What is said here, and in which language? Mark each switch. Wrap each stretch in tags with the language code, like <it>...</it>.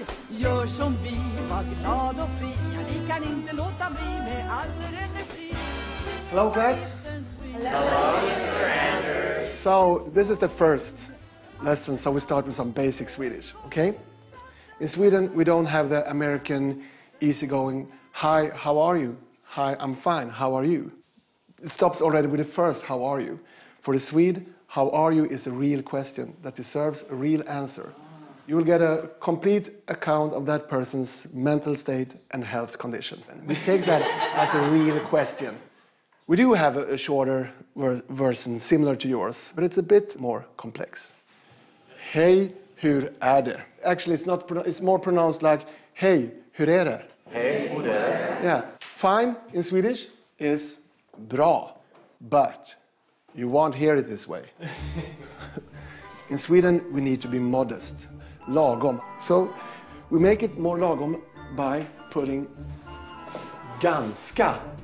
<sv>Gör som vi, var glad och fri. Ja, ni kan inte låta bli med all energi.</sv> <en>Hello, class. Hello, Mr. Anders. So, this is the first lesson, so we start with some basic Swedish, okay? In Sweden, we don't have the American easygoing, hi, how are you? Hi, I'm fine, how are you? It stops already with the first, how are you? For the Swede, how are you is a real question that deserves a real answer. You will get a complete account of that person's mental state and health condition. We take that as a real question. We do have a shorter version similar to yours, but it's a bit more complex.</en> <sv>Hey, hur är det?</sv> <en>Actually, it's not. It's more pronounced like</en> <sv>hey, hur är det? Hey, hur är det?</sv> <en>Yeah. Fine in Swedish is bra, but you won't hear it this way. In Sweden, we need to be modest, lagom. So we make it more lagom by putting ganska.</en>